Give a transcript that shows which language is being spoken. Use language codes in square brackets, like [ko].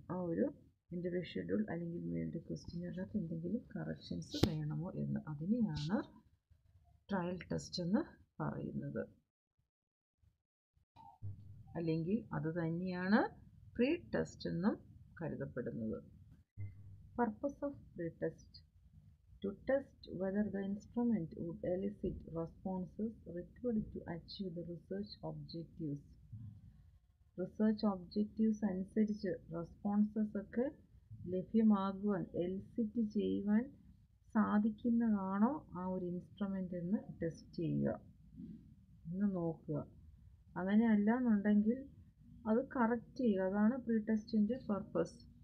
[ml] ആ ഒരു interview schedule അല്ലെങ്കിൽ മെയിൽഡ് ക്വസ്റ്റ്യനെയറിനകത്ത് എന്തെങ്കിലും കറക്ഷൻസ് വേണമോ എന്ന്, അതിനെയാണ് ട്രയൽ ടെസ്റ്റ് എന്ന് പറയുന്നത്. അല്ലെങ്കിൽ അത് തന്നെയാണ് പ്രീ ടെസ്റ്റ് എന്നും കരുതപ്പെടുന്നത്. [en] Purpose of pretest: to test whether the instrument would elicit responses required to achieve the research objectives. [ml] Research objectives അനുസരിച്ച് responses ഒക്കെ ലഭ്യമാകുവാൻ, എലിസിറ്റ് ചെയ്യുവാൻ സാധിക്കുന്നതാണോ ആ ഒരു ഇൻസ്ട്രുമെൻ്റ് എന്ന് ടെസ്റ്റ് ചെയ്യുക എന്ന് നോക്കുക. അങ്ങനെ അല്ല എന്നുണ്ടെങ്കിൽ അത് കറക്റ്റ് ചെയ്യുക. അതാണ് പ്രീടെസ്റ്റിൻ്റെ പർപ്പസ്.